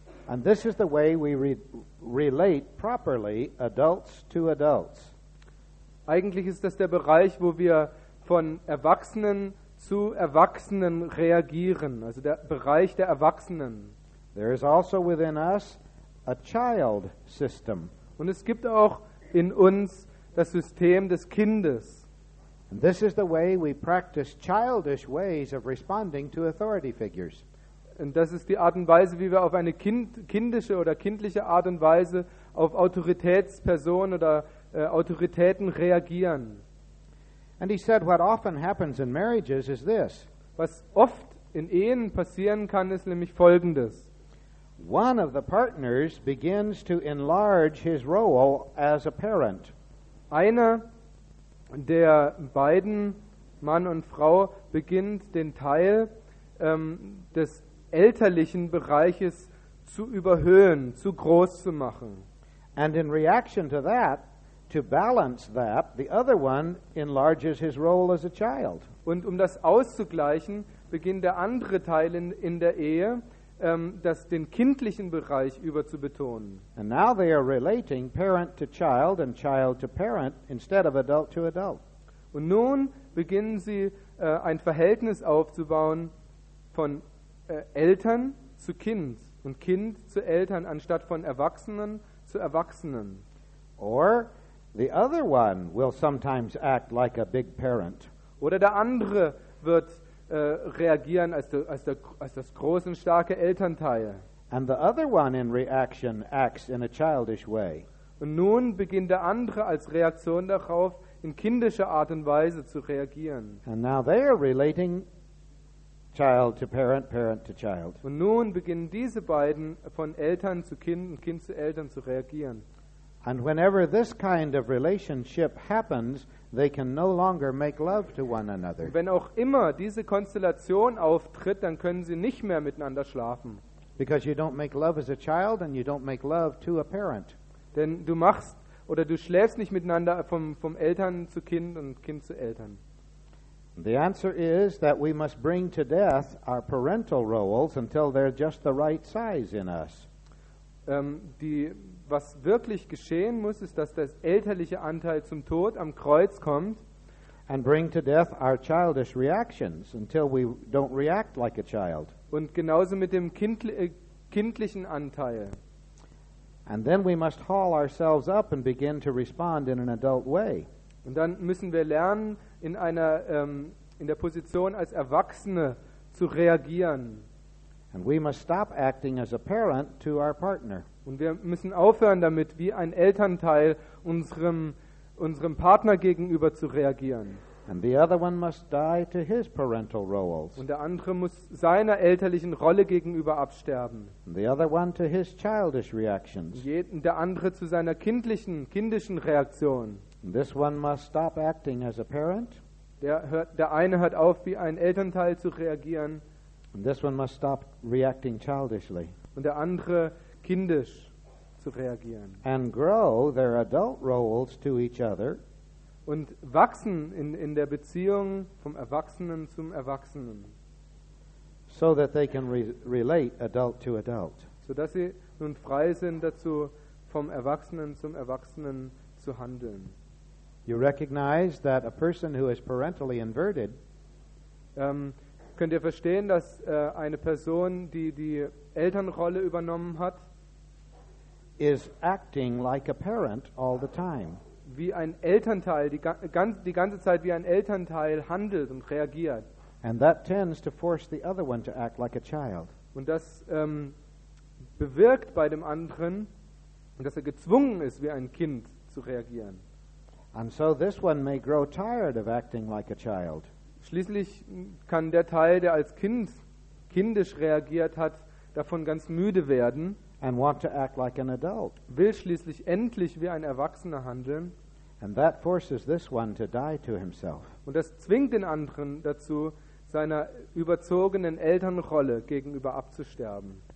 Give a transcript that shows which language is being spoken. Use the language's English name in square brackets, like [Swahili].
[English] And this is the way we relate properly adults to adults. [German] Eigentlich ist das der Bereich, wo wir von Erwachsenen zu Erwachsenen reagieren, also der Bereich der Erwachsenen. [English] There is also within us a child system. [German] Und es gibt auch in uns das System des Kindes. [English] And this is the way we practice childish ways of responding to authority figures. [German] Und das ist die Art und Weise, wie wir auf eine kindische oder kindliche Art und Weise auf Autoritätspersonen oder Autoritäten reagieren. [English] And he said, what often happens in marriages is this. [German] Was oft in Ehen passieren kann, ist nämlich Folgendes. [English] One of the partners begins to enlarge his role as a parent. [German] Einer der beiden, Mann und Frau, beginnt den Teil des elterlichen Bereiches zu überhöhen, zu groß zu machen. [English] And in reaction to that, to balance that, the other one enlarges his role as a child. [German] Und um das auszugleichen, beginnt der andere Teil in der Ehe, das den kindlichen Bereich überzubetonen. [English] And now they are relating parent to child and child to parent instead of adult to adult. [German] Und nun beginnen sie ein Verhältnis aufzubauen von Eltern zu Kind und Kind zu Eltern anstatt von Erwachsenen zu Erwachsenen. [English] Or the other one will sometimes act like a big parent. [German] Oder der andere wird reagieren als das große und starke Elternteil. [English] And the other one in reaction acts in a childish way. [German] Und nun beginnt der andere als Reaktion darauf in kindischer Art und Weise zu reagieren. [English] And now they are relating child to parent, parent to child. [German] Und nun beginnen diese beiden von Eltern zu Kind und Kind zu Eltern zu reagieren. [English] And whenever this kind of relationship happens, they can no longer make love to one another. [German] Wenn auch immer diese Konstellation auftritt, dann können sie nicht mehr miteinander schlafen. [English] Because you don't make love as a child and you don't make love to a parent. [German] Denn du machst oder du schläfst nicht miteinander vom Eltern zu Kind und Kind zu Eltern. [English] The answer is that we must bring to death our parental roles until they're just the right size in us. [German] Was wirklich geschehen muss, ist, dass das elterliche Anteil zum Tod am Kreuz kommt. [English] And bring to death our childish reactions until we don't react like a child. [German] Und genauso mit dem kindlichen Anteil. [English] And then we must haul ourselves up and begin to respond in an adult way. [German] Und dann müssen wir lernen, in einer in der Position als Erwachsene zu reagieren. [English] And we must stop acting as a parent to our partner. [German] Und wir müssen aufhören damit, wie ein Elternteil unserem Partner gegenüber zu reagieren. [English] And the other one must die to his parental roles. [German] Und der andere muss seiner elterlichen Rolle gegenüber absterben. [English] And the other one to his childish reactions. [German] Der andere zu seiner kindischen Reaktion. [English] And this one must stop acting as a parent. [German] Der eine hört auf, wie ein Elternteil zu reagieren. [English] And this one must stop reacting childishly. [German] Und der andere kindisch zu reagieren. [English] And grow their adult roles to each other. [German] Und wachsen in der Beziehung vom Erwachsenen zum Erwachsenen. [English] So that they can relate adult to adult. [German] So dass sie nun frei sind dazu, vom Erwachsenen zum Erwachsenen zu handeln. [English] You recognize that a person who is parentally inverted, [German] könnt ihr verstehen, dass eine Person, die Elternrolle übernommen hat, [English] is acting like a parent all the time. [German] Wie ein Elternteil, die ganze Zeit wie ein Elternteil handelt und reagiert. [English] And that tends to force the other one to act like a child. [German] Und das bewirkt bei dem anderen, dass er gezwungen ist, wie ein Kind zu reagieren. [English] And so this one may grow tired of acting like a child. [German] Schließlich kann der Teil, der als Kind kindisch reagiert hat, davon ganz müde werden. [English] And want to act like an adult. [German] Will schließlich endlich wie ein Erwachsener handeln. [English] And that forces this one to die to himself. [German] Und das zwingt den anderen dazu, seiner überzogenen Elternrolle gegenüber abzusterben.